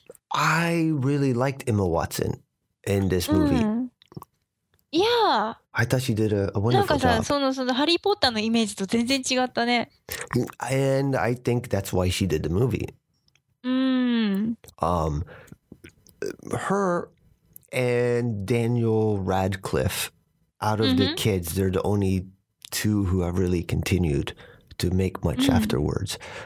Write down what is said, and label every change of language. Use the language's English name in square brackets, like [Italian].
[English] I really liked Emma Watson in this movie. Yeah. I thought she did a wonderful job. [Japanese] ハリーポッターのイメージと全然違ったね。 [English] And I think that's why she did the movie. Her and Daniel Radcliffe, out of the kids, they're the only two who have really continued to make much afterwards.